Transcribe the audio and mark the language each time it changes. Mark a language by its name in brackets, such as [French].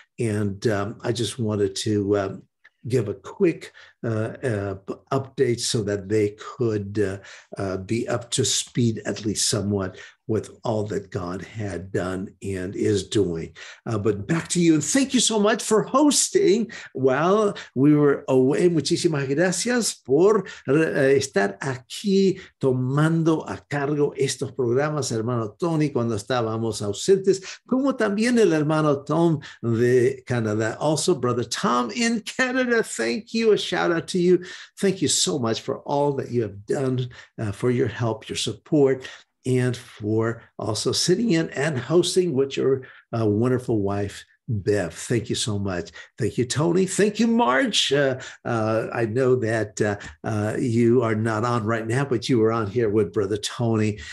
[English] And I just wanted to give a quick update so that they could be up to speed at least somewhat with all that God had done and is doing. But back to you, and thank you so much for hosting while we were away. [Spanish] Muchísimas gracias por estar aquí tomando a cargo estos programas, hermano Tony, cuando estábamos ausentes, como también el hermano Tom de Canadá. [English] Also, brother Tom in Canada, thank you. A shout out to you. Thank you so much for all that you have done, for your help, your support, and for also sitting in and hosting with your wonderful wife, Bev. Thank you so much. Thank you, Tony. Thank you, Marge. I know that you are not on right now, but you were on here with Brother Tony.